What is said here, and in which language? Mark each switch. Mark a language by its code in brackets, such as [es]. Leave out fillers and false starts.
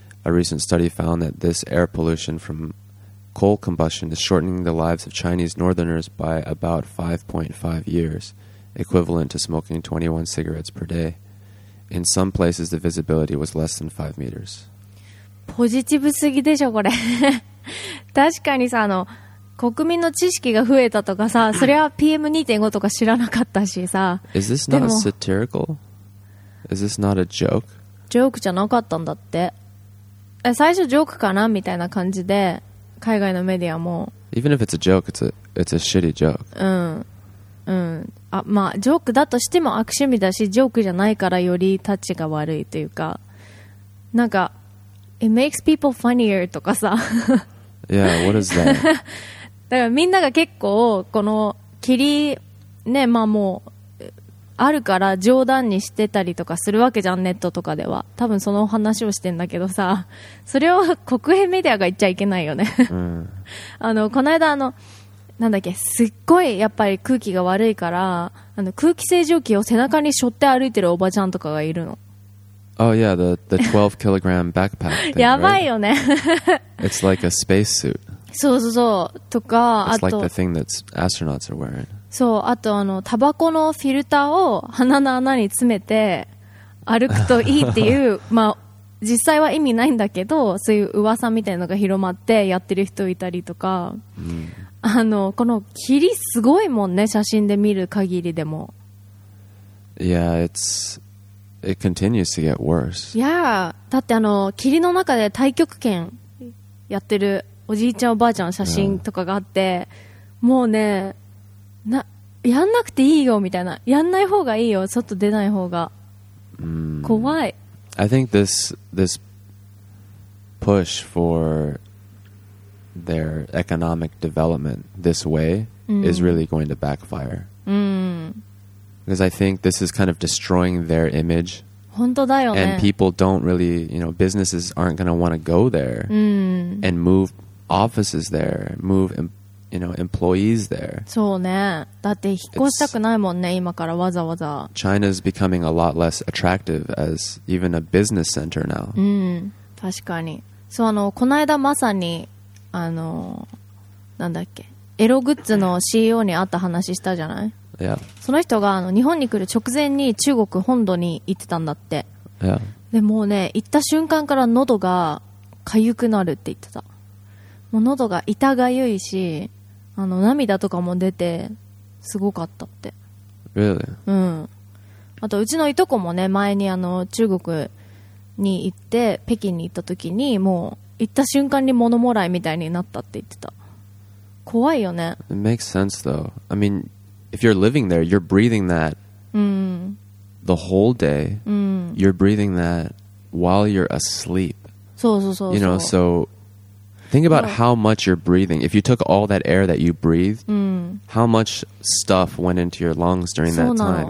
[en] A recent study found that this air pollution from coal combustion is shortening the lives of Chinese northerners by about 5.5 years, equivalent to smoking 21 cigarettes per day. In some places, the visibility was less than 5 meters. [ja] ポジティブすぎでしょこれ。確かにさ、国民の知識が増えたとかさ、それは PM2.5 とか知らなかったしさ。 [en] Is this not satirical? Is this not a joke? [ja] ジョークじゃなかったんだって。最初ジョークかなみたいな感じで、海外のメディアも。 [en] Even if it's a joke, it's a shitty joke. うん。うん。 [ja] あ、まあ、ジョークだとしても悪趣味だし、ジョークじゃないからよりタッチが悪いというか。なんか、 [en] It makes people funnier [ja] とかさ。 [en] Yeah, what is that? [ja] だからみんなが結構この霧ね、まあもうあるから冗談にしてたりとかするわけじゃん、ネットとかでは。多分その話をしてんだけどさ、それを国営メディアが言っちゃいけないよね。この間なんだっけ、すっごいやっぱり空気が悪いから、空気清浄機を背中に背負って歩いてるおばちゃんとかがいるの。 [en] Oh yeah, the 12 kilogram backpack thing, [ja] やばいよね。 [en] It's like a space suit. [ja] そうそうそう。とか、 [en] It's like the thing that astronauts are wearing. [ja] そう、あとタバコのフィルターを鼻の穴に詰めて歩くといいっていう、まあ実際は意味ないんだけど、そういう噂みたいなのが広まってやってる人いたりとか、この霧すごいもんね、写真で見る限りでも。 [en] Yeah, it continues to get worse. [ja] Yeah, だって霧の中で太極拳やってるおじいちゃんおばあちゃんの写真とかがあって、yeah. もうね、やんなくていいよみたいな、やんない方がいいよ、外出ない方が、怖い。 [en] I think this push for their economic development this way is really going to backfire. Because I think this is kind of destroying their image. [ja] 本当だよね。 [en] And people don't really, businesses aren't going to want to go there and move offices there, move, employees there. [ja] そうね。だって引っ越したくないもんね、今からわざわざ。 [en] China's becoming a lot less attractive as even a business center now. [ja] 確かに。そう、この間まさに、なんだっけ、エログッズの CEO に会った話したじゃない？ [en] Yeah. [ja] その人が日本に来る直前に中国本土に行ってたんだって、 [en] yeah. [ja] でもうね、行った瞬間から喉が痒くなるって言ってた。もう喉が痛がゆいし、涙とかも出てすごかったって。 [en] Really? うん。 [ja] あとうちのいとこもね、前に中国に行って北京に行った時に、もう行った瞬間に物もらいみたいになったって言ってた。怖いよね。 [en] It makes sense though. I meanIf you're living there, you're breathing that the whole day. You're breathing that while you're asleep. [ja] そうそうそう。 [en] You know, so Think about how much you're breathing. If you took all that air that you breathed, how much stuff went into your lungs during that time?